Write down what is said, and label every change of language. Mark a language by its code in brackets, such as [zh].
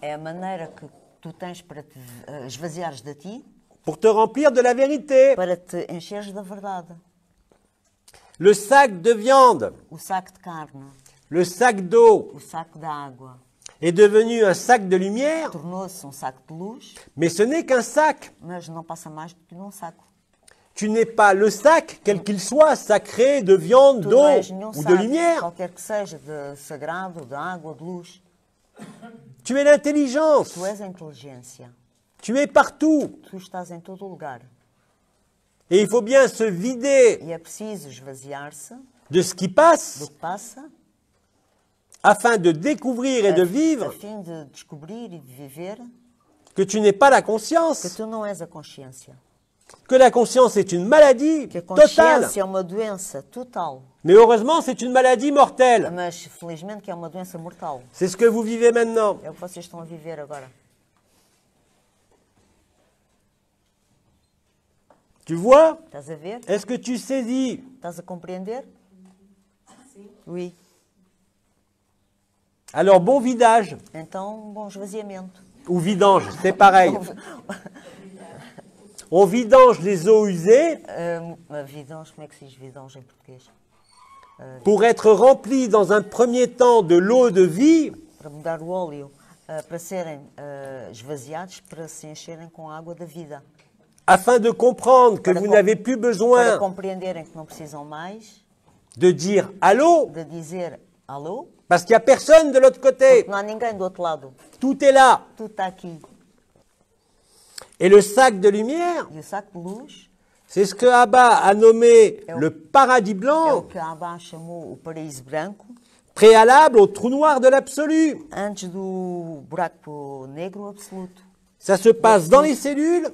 [fr] Et la manière que tu tens pour te [pt] esvaziar de ti. [fr] Pour te remplir de la vérité. [pt] Para te encher da verdade. [fr] Le sac de viande. [pt] O saco de carne. [fr] Le sac d'eau. [pt] O saco de água. [fr] Est devenu un sac de lumière. [pt] Tornou-se um saco de luz. [fr] Mais ce n'est qu'un sac. [pt] Mas não passa mais do que um saco. [fr] Tu n'es pas le sac, quel qu'il soit, sacré de viande, tu d'eau ou sac, de lumière. [pt] Qualquer que seja de sagrado, de água, de luz. [fr] Tu es l'intelligence. [pt] Tu es a inteligência. [fr] Tu es partout. [pt] Tu estás em todo lugar. [fr] Et il faut bien se vider. [pt] E é preciso esvaziar-se. [fr] De ce qui passe. [pt] Do que passa. [fr] Afin de découvrir et de vivre. [pt] Afin de descobrir e de viver. [fr] Que tu n'es pas la conscience. [pt] Que tu não és a consciência. [fr] Que la conscience est une maladie totale. [pt] Que a consciência é uma doença total. [fr] Mais heureusement, c'est une maladie mortelle. [pt] Mas felizmente que é uma doença mortal. [fr] C'est ce que vous vivez maintenant. [pt] É o que vocês estão a viver agora. [fr] Tu vois? [pt] Estás a ver? [fr] Est-ce que tu saisis? [pt] Estás a compreender? Sim. [fr] Oui. Alors bon vidage. [pt] Então bom esvaziamento. [fr] Ou vidange, c'est pareil. On vidange les eaux usées. Vidange, comment est-ce que c'est vidange en portugais? Pour être rempli dans un premier temps de l'eau de vie. [pt] Para mudar o óleo, para serem esvaziados, para se encherem com a água da vida. [fr] Afin de comprendre que [pt] para [fr] vous n'avez plus besoin [pt] que não precisam mais, [fr] de dire allô, [pt] de dizer allô, [fr] parce qu'il n'y a personne de l'autre côté. [pt] Não há ninguém do outro lado. [fr] Tout est là. [pt] Tout está aqui. [fr] Et le sac de lumière, [pt] e o saco de luz, [fr] c'est ce que Abba a nommé le paradis blanc, [pt] é o que Abba chamou o paraíso branco, [fr] préalable au trou noir de l'absolu. [pt] Antes do buraco negro absoluto. [fr] Ça se passe dans les cellules,